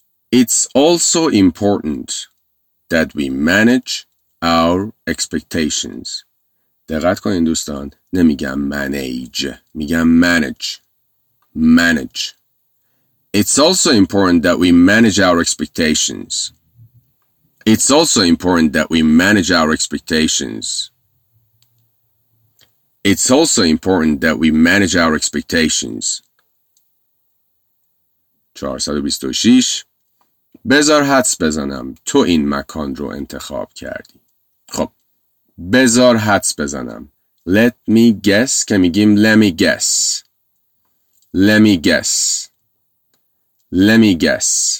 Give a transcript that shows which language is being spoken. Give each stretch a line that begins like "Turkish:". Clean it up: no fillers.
English: It's also important that we manage our expectations.
Persian: دقت کنین دوستان، نمیگم manage، میگم manage.
English: It's also important that we manage our expectations. It's also important that we manage our expectations. It's also important that we manage our expectations.
Persian: 426 بذار حدس بزنم تو این مکان رو انتخاب کردی. خب بذار حدس بزنم،
English: let me guess
Persian: که میگیم let me guess.